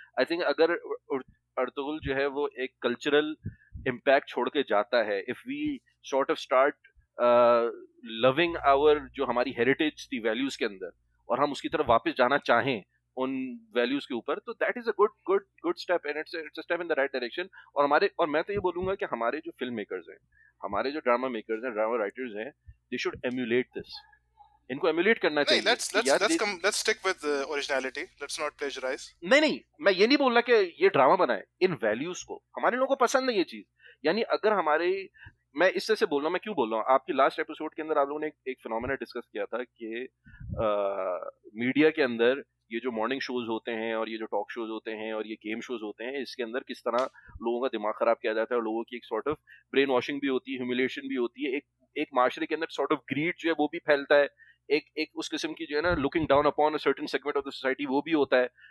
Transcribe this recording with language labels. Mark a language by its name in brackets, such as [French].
[Urdu] I think اگر Ertugrul جو ہے وہ ایک کلچرل امپیکٹ چھوڑ کے جاتا ہے, if we short of start لونگ آور جو ہماری ہیریٹیج تھی ویلیوز کے اندر اور ہم اس کی طرف واپس جانا چاہیں ان ویلیوز کے اوپر, تو [English] That is a good step and it's a step in the right direction. [Urdu] اور ہمارے اور میں تو یہ بولوں گا کہ ہمارے جو فلم میکرز ہیں, ہمارے جو ڈرامہ میکرز ہیں, ڈرامہ رائٹرز ہیں, [English] they should emulate this, [Urdu] ان کو ایمولیٹ کرنا چاہیے. [English] let's stick with the originality, let's not plagiarize. [Urdu] نہیں نہیں میں یہ نہیں بولنا کہ یہ ڈرامہ بنائے, ان ویلیوز کو ہمارے لوگوں کو پسند نہیں یہ چیز. یعنی اگر ہمارے میں اس طرح سے بول رہا ہوں, میں کیوں بول رہا ہوں, آپ کی لاسٹ ایپیسوڈ کے اندر آپ لوگوں نے ایک فینومینا ڈسکس کیا تھا کہ میڈیا کے اندر یہ جو مارننگ شوز ہوتے ہیں اور یہ جو ٹاک شوز ہوتے ہیں اور یہ گیم شوز ہوتے ہیں, اس کے اندر کس طرح لوگوں کا دماغ خراب کیا جاتا ہے اور لوگوں کی ایک سارٹ آف برین واشنگ بھی ہوتی ہے, ہیومیلیشن بھی ہوتی ہے, ایک معاشرے کے اندر سارٹ آف گریڈ جو ہے وہ بھی پھیلتا ہے, ایک اس قسم کی جو ہے نا [English] looking down upon a certain segment of the society [Urdu] وہ بھی ہوتا ہے.